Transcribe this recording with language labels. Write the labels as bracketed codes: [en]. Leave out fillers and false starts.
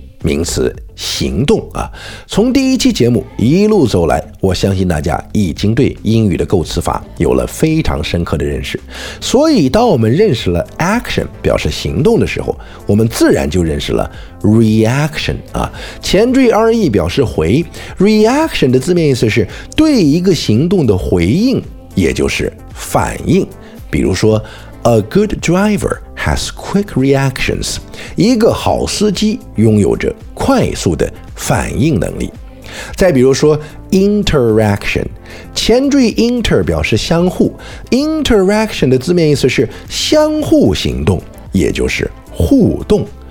[zh] 名词行动啊。从第一期节目一路走来，我相信大家已经对英语的构词法有了非常深刻的认识。所以当我们认识了 action 表示行动的时候，我们自然就认识了 reaction 啊。前缀 re 表示回， reaction 的字面意思是对一个行动的回应，也就是反应。比如说 [en] A good driver has quick reactions. [zh] 一个好司机拥有着快速的反应能力。再比如说 interaction， 前缀 inter 表示相互， interaction 的字面意思是相互行动，也就是互动。